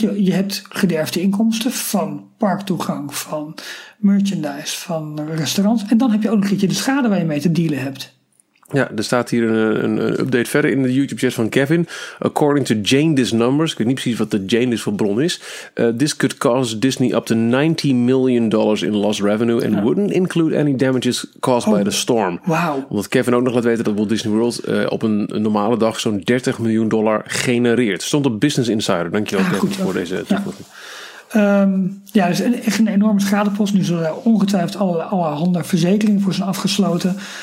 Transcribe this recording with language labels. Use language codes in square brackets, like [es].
[nl] Je hebt gederfde inkomsten van parktoegang, van merchandise, van restaurants. En dan heb je ook nog een keertje de schade waar je mee te dealen hebt. Ja, er staat hier een update verder in de YouTube-chat van Kevin. [en] According to Jane Dis Numbers, [nl] ik weet niet precies wat de Jane Dis voor bron is. [en] This could cause Disney up to $90 million in lost revenue and wouldn't include any damages caused by the storm. Wow. [nl] Omdat Kevin ook nog laat weten dat Walt Disney World op een normale dag zo'n $30 miljoen genereert. Stond op Business Insider. Dankjewel, Kevin, voor deze toevoeging. Ja. Ja, dus echt een enorme schadepost. Nu zullen er ongetwijfeld allerhande verzekeringen voor zijn afgesloten.